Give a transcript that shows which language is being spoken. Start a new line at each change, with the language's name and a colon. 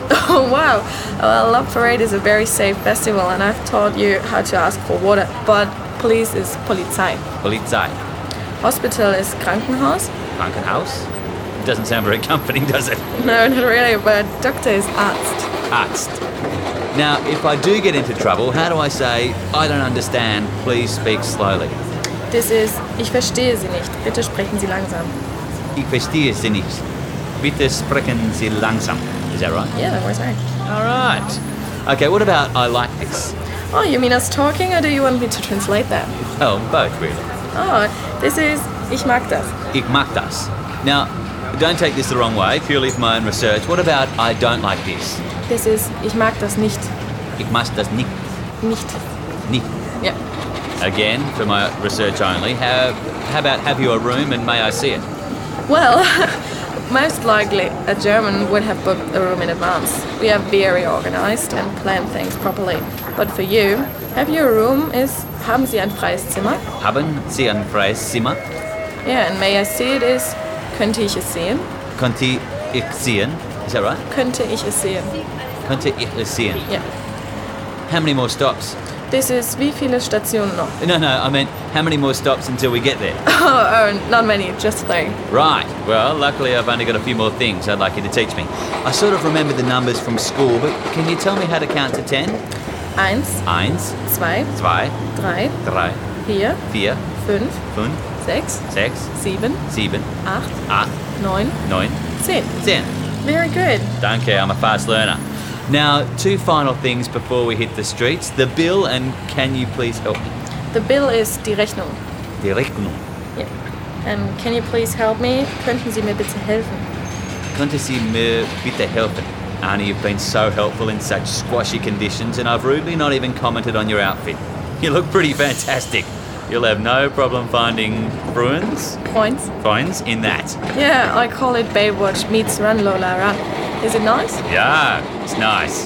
English: Oh wow, well, Love Parade is a very safe festival and I've taught you how to ask for water, but police is Polizei.
German: Polizei.
English: Hospital is Krankenhaus.
German: Krankenhaus?
English: Doesn't sound very comforting, does it? No, not really, but doctor is Arzt.
German: Arzt.
English: Now, if I do get into trouble, how do I say, I don't understand, please speak slowly? This is,
German: ich verstehe Sie nicht, bitte sprechen Sie langsam. Ich verstehe Sie nicht, bitte sprechen Sie langsam.
English: Is that right? Yeah, that works right. All right. Okay, what about I like this? Oh, you mean us talking, or do you want me to translate that? Well, both, really. Oh, this is,
German: ich mag das. Ich mag das.
English: Now, don't take this the wrong way, purely for my own research. What about I don't like this? This is,
German: ich mag das nicht. Ich mag das nicht. Nicht. Nicht.
English: Yeah. Again, for my research only, how about have you a room and may I see it? Well, most likely a German would have booked a room in advance. We are very organized and plan things properly. But for you, have you a room is,
German: haben Sie ein freies Zimmer? Haben Sie ein freies Zimmer?
English: Yeah, and may I see it is,
German: könnte ich es sehen? Könnte ich sehen?
English: Is that right?
German: Könnte ich es sehen. Könnte ich es sehen?
English: Yeah. How many more stops? This is,
German: wie viele Stationen noch?
English: No, I meant, how many more stops until we get there? Oh, not many, just three. Right. Well, luckily I've only got a few more things I'd like you to teach me. I sort of remember the numbers from school, but can you tell me how to count to 10?
German: Eins. Eins. Zwei. Zwei. Drei. Drei. Vier. Vier. Fünf. Fünf. Sechs. Sechs. Sieben. Sieben. Acht. Acht. Neun. Neun. Zehn. Zehn.
English: Very good. Danke, I'm a fast learner. Now, two final things before we hit the streets. The bill and can you please help me? The bill is
German: die Rechnung. Die Rechnung.
English: Yeah. And can you please help me?
German: Könnten Sie mir bitte helfen? Könnten Sie mir bitte helfen?
English: Arnie, you've been so helpful in such squashy conditions and I've rudely not even commented on your outfit. You look pretty fantastic. You'll have no problem finding Bruins? Points. Points in that. Yeah, I call it Baywatch meets Run Lola Run. Is it nice? Yeah, it's nice.